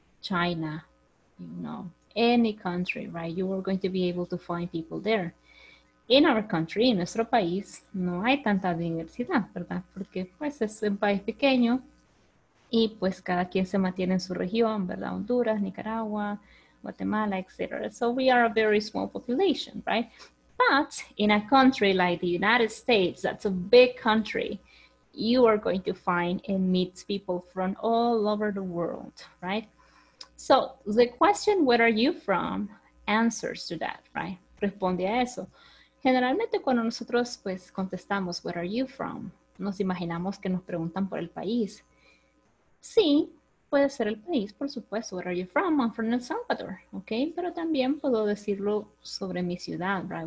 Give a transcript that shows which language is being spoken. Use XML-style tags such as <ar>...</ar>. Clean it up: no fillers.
<en>China, you know, any country, right? You are going to be able to find people there. In our country,</en> <es>en nuestro país, no hay tanta diversidad, ¿verdad? Porque pues es un país pequeño y pues cada quien se mantiene en su región, ¿verdad?</es> <en>Honduras, Nicaragua, Guatemala, etc. So we are a very small population, right? But in a country like the United States, that's a big country, you are going to find and meet people from all over the world, right? So the question, where are you from, answers to that, right?</en> <es>Responde a eso. Generalmente cuando nosotros pues contestamos,</es> <en>where are you from?</en> <es>Nos imaginamos que nos preguntan por el país. Sí, puede ser el país, por supuesto.</es> <en>Where are you from? I'm from El Salvador.</en> <es>Okay, pero también puedo decirlo sobre mi ciudad, right?</es>